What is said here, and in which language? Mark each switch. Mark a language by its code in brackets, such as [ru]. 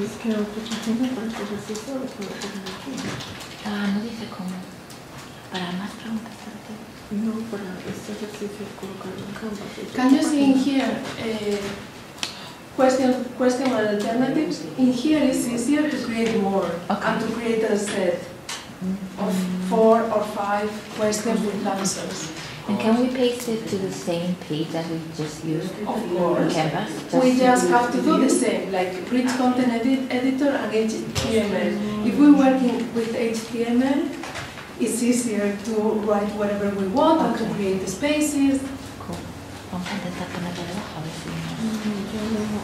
[en] this kind of entertainment or for the sister or for the machine? [es] No dice cómo. Para más preguntas, ¿para qué? No, para este ejercicio es colocar un canvas. [en] Can you see in here question and alternatives? In here it's easier to create more and to create a set of four or five questions with answers. And can we paste it to the same page that we just used? Of course. Canvas, just we just have to do the same, like rich content editor and HTML. If we're working with HTML, it's easier to write whatever we want and to create the spaces. Cool. [es] Vamos a intentar poner de abajo, a ver si...